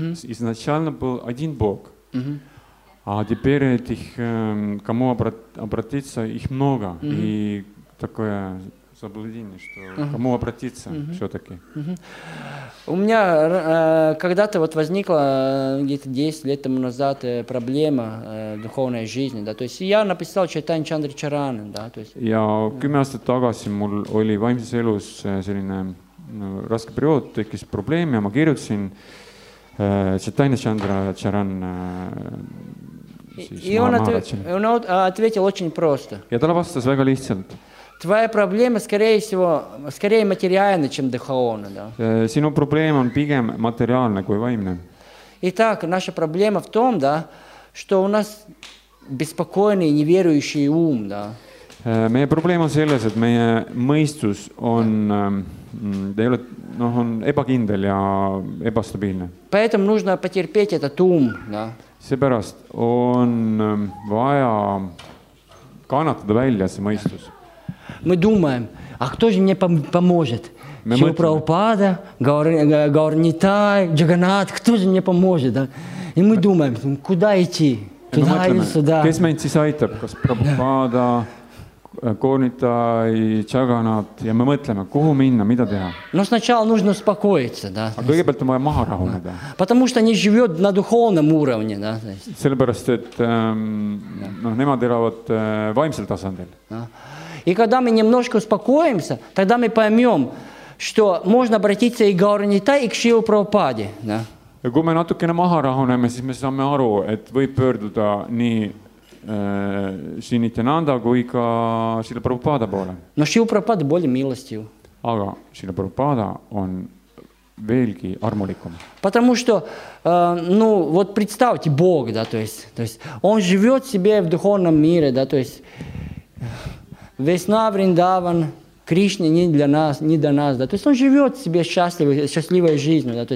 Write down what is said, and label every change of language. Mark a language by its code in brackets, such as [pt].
[ru] Изначально был один Бог. А теперь этих, кому обратиться, их много. И такое заблуждение, что кому обратиться все-таки. У меня когда-то вот возникла где-то 10 лет тому назад проблема духовной жизни. Да? То есть я написал Чайтань Чандри Чаран. Да? То есть, я 10 лет назад у меня [et] в ваймсес элус селине raske periood, tekis probleem ja ma kirjutasin Chaitanya Chandra Charan ja ta vastas väga lihtsalt. [ru] Твоя проблема, скорее всего, скорее материальна, чем духовна. [et] Sinu probleem on pigem materiaalne kui vaimne. [ru] Итак, наша проблема в том, да, что у нас беспокойный неверующий ум. Да. [et] Meie probleem on selles, et meie mõistus on on ebakindel ja ebastabiilne. [ru] Поэтому нужно потерпеть этот ум, да. [et] Seepärast on vaja kannatada välja see mõistus. [ru] Мы думаем, а кто же мне поможет? Шрила Прабхупада, Гауранитай, Джаганнат, кто же мне поможет, да? И мы думаем, куда идти? Туда или сюда? [et] Kes meid siis aitab, kas Прабхупада, Гауранитай, Джаганнат, ja me mõtleme, kuhu minna, mida teha. [ru] Но сначала нужно успокоиться, да. [et] А kõigepealt on vaja maha rahuneda. [ru] Потому что они живут на духовном уровне, да. [et] Sellepärast, et nemad elavad vaimsel tasandil. [ru] И когда мы немножко успокоимся, тогда мы поймем, что можно обратиться и к Гауранитай, и к Шриле Прабхупаде. Да? [et] Ja kui me natukene maha rahuneme, siis me saame aru, et võib pöörduda nii Sinitjananda kui ka Šrila Prabhupada poole. [ru] No Šrila Prabhupada более милостив. [et] Aga Šrila Prabhupada on veelgi armulikum. [ru] Потому что, ну, вот представьте Бог, да, то есть он живет себе в духовном мире, да, то есть весна Вриндаван, Кришна не для нас, не до нас, да. То есть он живет себе счастливой жизнью, да.